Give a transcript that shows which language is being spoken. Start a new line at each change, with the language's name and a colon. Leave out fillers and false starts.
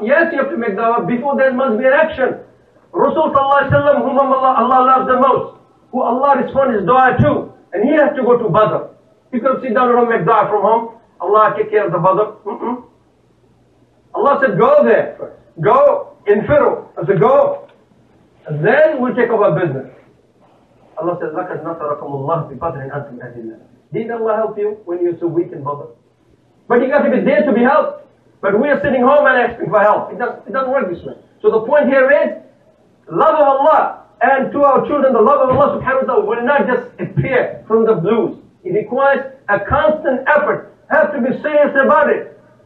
English: Yes, you have to make da'wah. Before that, must be an action. Rasulullah, whom Allah loves the most, who Allah responds his du'a to, and he has to go to Badr. He could sit down and make du'a from home. Allah take care of the Badr. Allah said, go there. Go in Firoh. I said, go. And then we'll take over business. Allah said,
Arabic: لَكَدْ نَصَرَكُمُ اللَّهُ بِبَدْرٍ أَنْتُمْ أَذِلَّا.
English: Did Allah help you when you're so weak in Badr? But you got to be there to be helped. But we are sitting home and asking for help. It doesn't work this way. So the point here is, love of Allah and to our children, the love of Allah subhanahu wa ta'ala will not just appear from the blues. It requires a constant effort. Have to be serious about it.